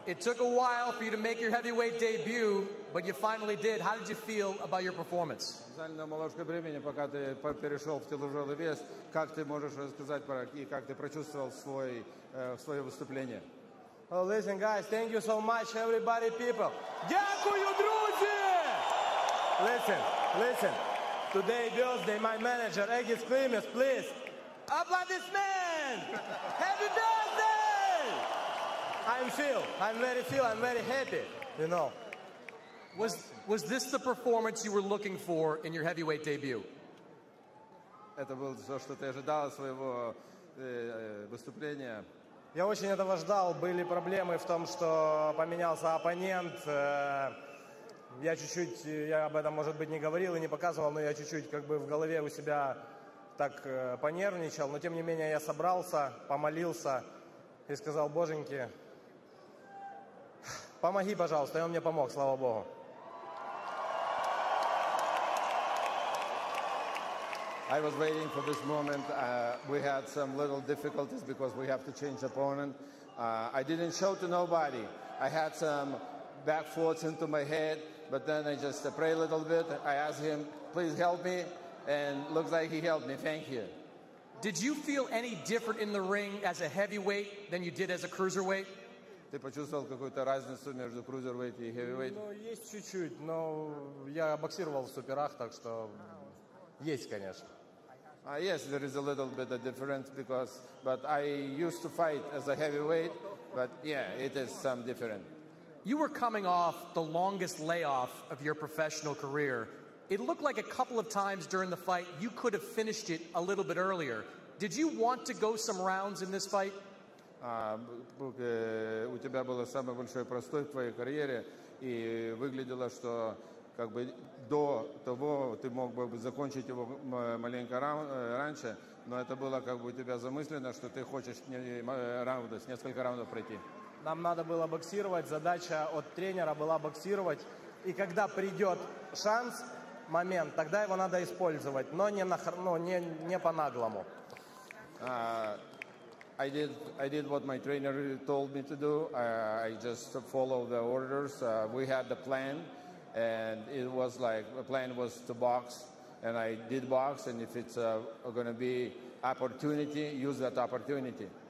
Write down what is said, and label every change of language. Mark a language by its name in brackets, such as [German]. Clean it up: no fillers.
[English] It took a while for you to make your heavyweight debut, but you finally did. How did you feel about your performance? [Russian] Занял немножко времени, пока ты перешел в тяжелый вес. Как ты можешь рассказать про и как ты прочувствовал свое выступление? [English] Oh, listen, guys, thank you so much, everybody, people. [Ukrainian] Дякую, друзі! [English] Listen. Today, Thursday, my manager, Egis Klimas, please. Applaudissements! Happy birthday! I'm very happy, you know. Was this the performance you were looking for in your heavyweight debut? [Russian] Это было то, что ты ожидал своего выступления. Я очень этого ждал. Были проблемы в том, что поменялся оппонент. Я чуть-чуть, я об этом, может быть, не говорил и не показывал, но я чуть-чуть как бы в голове у себя так понервничал. Но, тем не менее, я собрался, помолился и сказал: «Боженьки, помоги, пожалуйста». И он мне помог, слава Богу. [English] I was waiting for this moment. We had some little difficulties because we have to change opponent. I didn't show to nobody. I had some back thoughts into my head, but then I just pray a little bit. I asked him, please help me, and looks like he helped me. Thank you. Did you feel any different in the ring as a heavyweight than you did as a cruiserweight? [Russian] Ты почувствовал какую-то разницу между cruiserweight и heavyweight? Ну, есть чуть-чуть, но я боксировал в суперах, так что... Есть, конечно. [English] Yes, there is a little bit of difference because, but I used to fight as a heavyweight, but yeah, it is some different. You were coming off the longest layoff of your professional career. It looked like a couple of times during the fight you could have finished it a little bit earlier. Did you want to go some rounds in this fight? [Russian] У тебя был самый большой простой в твоей карьере, и выглядело, что как бы до того ты мог бы закончить его маленько раньше, но это было как бы у тебя замыслено, что ты хочешь несколько раундов пройти. Нам надо было боксировать, задача от тренера была боксировать, и когда придет шанс, момент, тогда его надо использовать, но не по-наглому. [English] I did what my trainer told me to do. I just followed the orders. We had the plan. And it was like, the plan was to box, and I did box, and if it's going to be opportunity, use that opportunity.